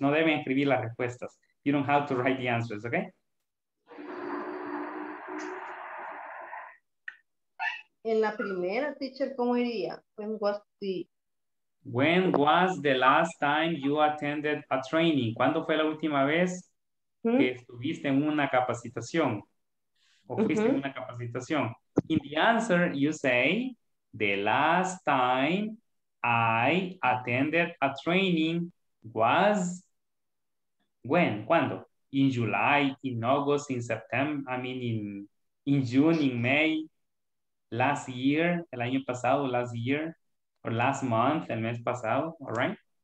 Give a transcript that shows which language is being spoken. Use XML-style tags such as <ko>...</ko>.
<es>No deben escribir las respuestas.</es> <en>You don't have to write the answers, okay?</en> <es>En la primera, teacher, ¿cómo iría?</es> <en>When was the... When was the last time you attended a training?</en> <es>¿Cuándo fue la última vez que estuviste en una capacitación? ¿O fuiste en una capacitación?</es> <en>In the answer, you say, the last time I attended a training was when? ¿Cuándo? In July, in August, in September, I mean in June, in May, last year,</en> <es>el año pasado,</es> <en>last year, or last month,</en> <es>el mes pasado,</es> <en>all right?</en>